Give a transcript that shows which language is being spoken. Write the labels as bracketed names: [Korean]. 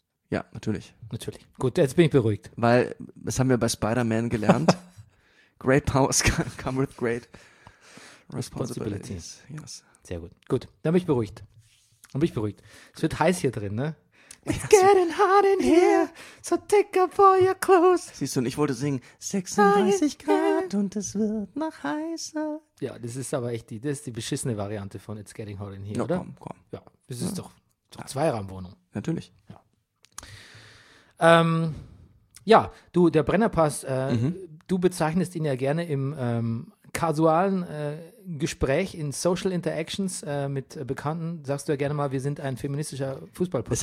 [German] Ja, natürlich. Natürlich. Gut, jetzt bin ich beruhigt. Weil, das haben wir bei Spider-Man gelernt, [English] great powers come with great responsibilities. [German] Yes. Sehr gut. Gut, dann bin ich beruhigt. Dann bin ich beruhigt. Es wird heiß hier drin, ne? [English] It's getting hot in here, so take off all your clothes. [German] Siehst du, und ich wollte singen, 36 Grad und es wird noch heißer. Ja, das ist aber echt die beschissene Variante von [English] It's getting hot in here, [German] no, oder? Komm. Ja, das ist doch Zweiraumwohnung. Natürlich. Ja. Der Brennerpass, du bezeichnest ihn ja gerne im kasualen Gespräch, in Social Interactions mit Bekannten, sagst du ja gerne mal, wir sind ein feministischer Fußball-Podcast.